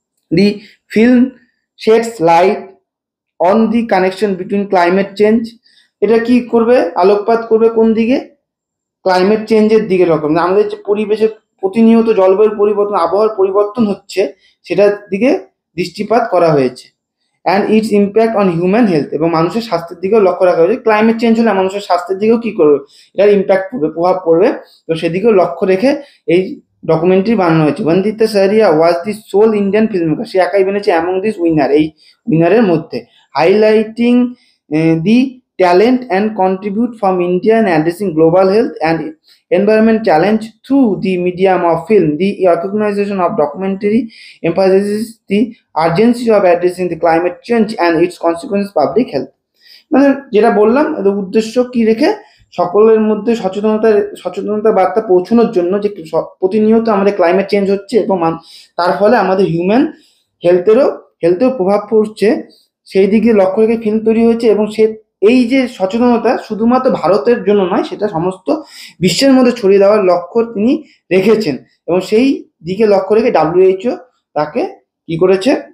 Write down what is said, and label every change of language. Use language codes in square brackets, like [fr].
[en] the film sheds light on the connection between climate change, [bn] এটা কি করবে আলোকপাত করবে কোন দিকে, ক্লাইমেট চেঞ্জের দিকে রকম, আমাদের যে পরিবেশে প্রতিনিয়ত জলবায়ুর পরিবর্তন আবহাওয়ার পরিবর্তন হচ্ছে সেটার দিকে দৃষ্টিপাত করা হয়েছে, [en] and its impact on human health [bn] এবং মানুষের স্বাস্থ্যের দিকেও লক্ষ্য রাখা হয়েছে, ক্লাইমেট চেঞ্জ হলে মানুষের স্বাস্থ্যের দিকেও কী করবে এটার ইম্প্যাক্ট পড়বে প্রভাব পড়বে, তো সেদিকেও লক্ষ্য রেখে এই ডকুমেন্টারি বানানো হয়েছে। [en] Bandita Shahriya was the sole Indian film maker, [bn] সে একাই বেনেছে [en] among this winner, [bn] এই উইনারের মধ্যে [en] Highlighting the talent and contribute from India in addressing global health and environment challenge through the medium of film. The recognition of documentary emphasizes the urgency of addressing the climate change and its consequences public health. [bn] মানে যেটা বললাম উদ্দেশ্য কি রেখে সকলের মধ্যে সচেতনতার বার্তা পৌঁছানোর জন্য যে প্রতিনিয়ত আমাদের ক্লাইমেট চেঞ্জ হচ্ছে এবং তার ফলে আমাদের হিউম্যান হেলথেরও প্রভাব পড়ছে সেই দিকে লক্ষ্য রেখে ফিল্ম তৈরি হয়েছে এবং সে এই যে সচেতনতা শুধুমাত্র ভারতের জন্য নয় সেটা সমস্ত বিশ্বের মধ্যে ছড়িয়ে দেওয়ার লক্ষ্য তিনি রেখেছেন এবং সেই দিকে লক্ষ্য রেখে WHO তাকে কি করেছে